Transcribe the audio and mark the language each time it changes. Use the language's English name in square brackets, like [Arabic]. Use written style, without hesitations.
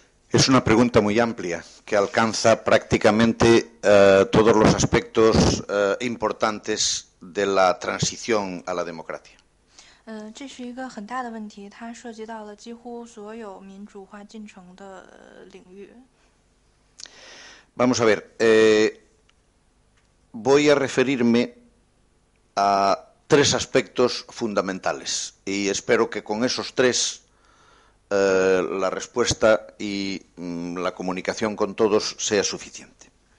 [Spanish] Es una pregunta muy amplia que alcanza prácticamente todos los aspectos importantes de la transición a la democracia. [Chinese] 这是一个很大的问题, 它涉及到了几乎所有民主化进程的领域。 [Spanish] Vamos a ver, voy a referirme a tres aspectos fundamentales y espero que con esos tres la respuesta y la comunicación con todos sea suficiente.